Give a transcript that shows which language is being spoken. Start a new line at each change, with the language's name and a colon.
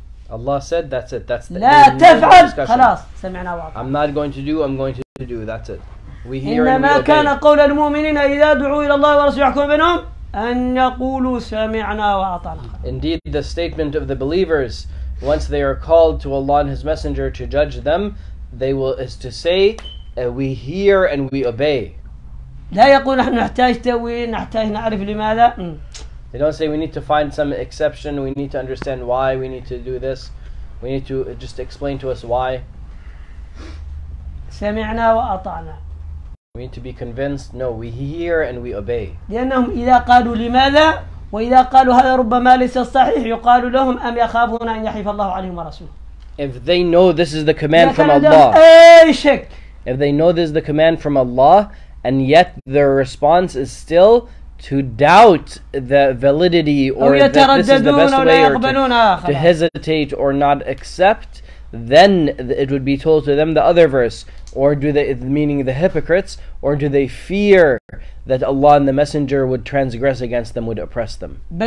English: Allah said, that's it. That's the end of the discussion. I'm not going to do, I'm going to do. That's it. We hear and we obey.
Arabic: كان قول المؤمنين إذا دعوا إلى الله ورسوله يحكم بينهم أن يقولوا سمعنا وأطعنا.
English: Indeed, the statement of the believers, once they are called to Allah and His Messenger to judge them, they will is to say, we hear and we obey.
Arabic: لا يقول نحن نحتاج تأويل نحتاج نعرف لماذا.
English: They don't say we need to find some exception, we need to understand why we need to do this. We need to just explain to us why.
Arabic: سمعنا وأطعنا.
English: We need to be convinced. No, we hear and we obey.
Arabic: لأنهم إذا قالوا لماذا وإذا قالوا هذا ربما ليس الصحيح يقال لهم أم يخافون أن يحيف الله عليهم ورسوله.
English: If they know this is the command from Allah. If they know this is the command from Allah and yet their response is still to doubt the validity or that this is the best way or to hesitate or not accept, then it would be told to them the other verse, or do they, meaning the hypocrites, or do they fear that Allah and the Messenger would transgress against them, would oppress them?